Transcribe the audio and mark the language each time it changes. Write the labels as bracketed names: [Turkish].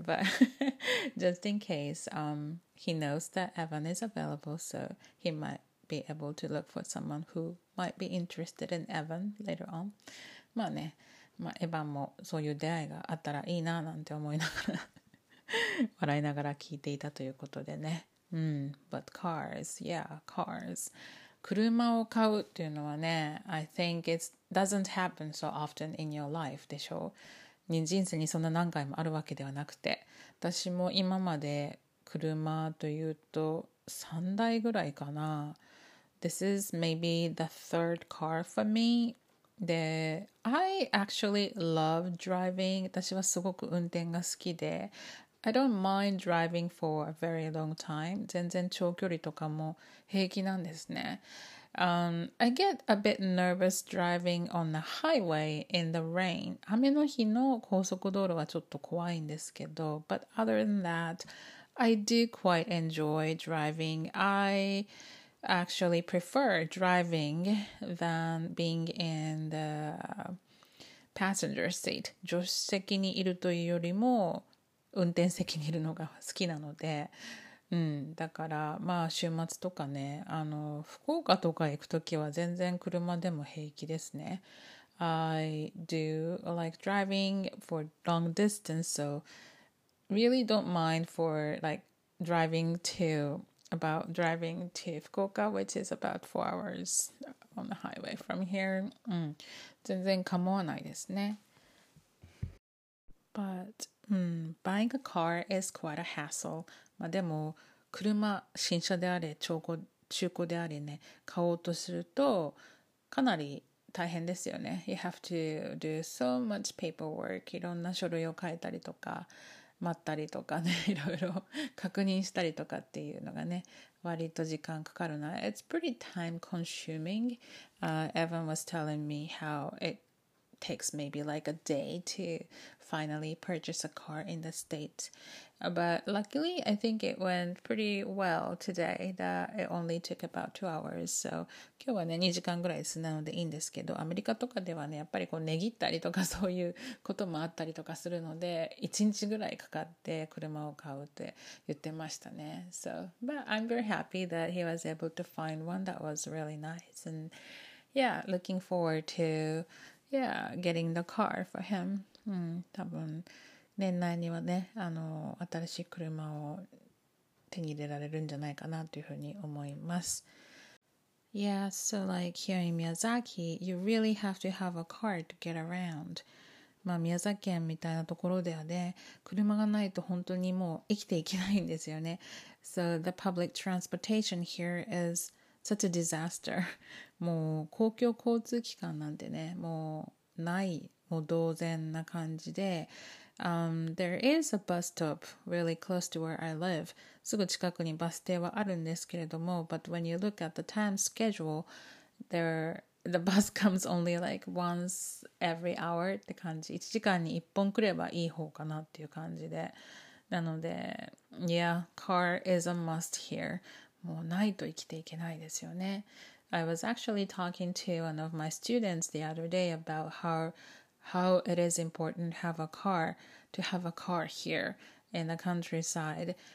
[English] But just in case, He knows that Evan is available, so he might be able to look for someone who might be interested in Evan later on. [Japanese] まあね、まあ、エヴァンもそういう出会いがあったらいいななんて思いながら、笑いながら聞いていたということでね。 [English] But cars, yeah, cars. [Japanese] 車を買うっていうのはね、 [English] I think it doesn't happen so often in your life, [Japanese] でしょう。人生にそんな何回もあるわけではなくて、私も今まで車というと3台ぐらいかな。 [English] This is maybe the third car for me. で、I actually love driving. [Japanese] 私はすごく運転が好きで、 [English] I don't mind driving for a very long time. [Japanese] 全然長距離とかも平気なんですね。 [English] I get a bit nervous driving on the highway in the rain. [Japanese] 雨の日の高速道路はちょっと怖いんですけど、 [English] But other than that,I do quite enjoy driving. I actually prefer driving than being in the passenger seat. [Japanese] 助手席にいるというよりも運転席にいるのが好きなので、だからまあ週末とかね、福岡とか行くときは全然車でも平気ですね。 [English] I do like driving for long distance, so really don't mind for like driving to Fukuoka, which is about 4 hours on the highway from here. [Japanese] 全然構わないですね。 [English] But buying a car is quite a hassle. [Japanese] まあでも車、新車であれ、中古であれね、買おうとするとかなり大変ですよね。 [English] You have to do so much paperwork. [Japanese] いろんな書類を書いたりとか、待ったりとかね、いろいろ確認したりとかっていうのがね、割と時間かかるな。 [English] It's pretty time consuming. Evan was telling me how it takes maybe like a day to finally purchase a car in the States. But luckily, I think it went pretty well today that it only took about 2 hours. [Japanese] So, 今日はね、2時間ぐらいですなのでいいんですけど、アメリカとかではね、やっぱりこう、値切ったりとかそういうこともあったりとかするので、1日ぐらいかかって車を買うって言ってましたね。 [English] So, but I'm very happy that he was able to find one that was really nice. And yeah, looking forward to, yeah, getting the car for him. [Japanese] 多分年内にはね、新しい車を手に入れられるんじゃないかなというふうに思います。 [English] Yeah, so like here in Miyazaki, you really have to have a car to get around. [Japanese] まあ宮崎県みたいなところではね、車がないと本当にもう生きていけないんですよね。 [English] So the public transportation here is such a disaster. [Japanese] もう公共交通機関なんてね、もうない、もう同然な感じで、 [English] there is a bus stop really close to where I live. [Japanese] すぐ近くにバス停はあるんですけれども、 [English] but when you look at the time schedule, the bus comes only like once every hour [Japanese] って感じ。 1時間に1本来ればいい方かなっていう感じで。なので、 [English] yeah, car is a must here. [Japanese] もうないと生きていけないですよね。 [English] I was actually talking to one of my students the other day about how it is important to have a car here in the countryside.